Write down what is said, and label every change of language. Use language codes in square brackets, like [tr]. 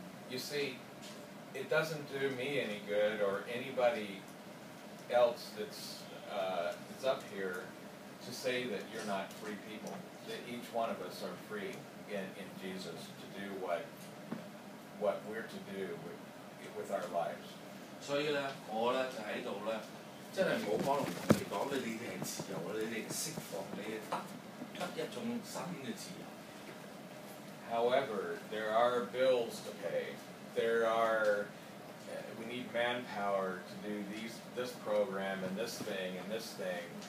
[en] You see, it doesn't do me any good or anybody else that's up here to say that you're not free people, that each one of us are free in Jesus to do what we're to do with our lives. [zh] 所以呢,我呢,就在这里,真的没有帮助你们讲的,你们是自由的,你们释放,你们得一种新的自由. [en] However, there are bills to pay. There are, we need manpower to do this program and this thing and this thing.